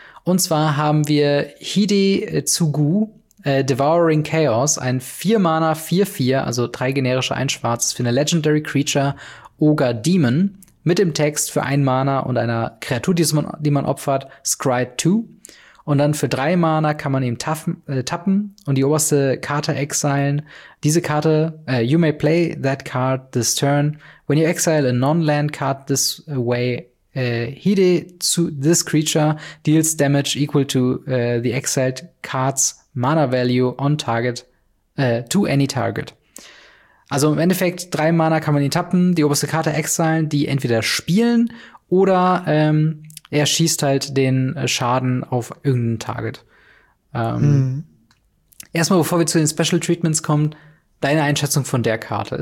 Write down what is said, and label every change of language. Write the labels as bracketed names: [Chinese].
[German] Und zwar haben wir Hide Tsugu, Devouring Chaos, ein 4-Mana 4-4, also 3 generische, 1 schwarzes, für eine Legendary Creature Ogre-Demon mit dem Text für 1 Mana und einer Kreatur, die man opfert, Scry 2. Und dann für 3 Mana kann man eben tappen und die oberste Karte exilen. Diese Karte, [English] you may play that card this turn. When you exile a non-land card this way, Hide to this creature deals damage equal to the exiled card's mana value on target, to any target. [German] Also im Endeffekt, 3 Mana kann man ihn tappen, die oberste Karte exilen, die entweder spielen oder er schießt halt den Schaden auf irgendein Target. Erstmal, bevor wir zu den Special Treatments kommen, deine Einschätzung von der Karte.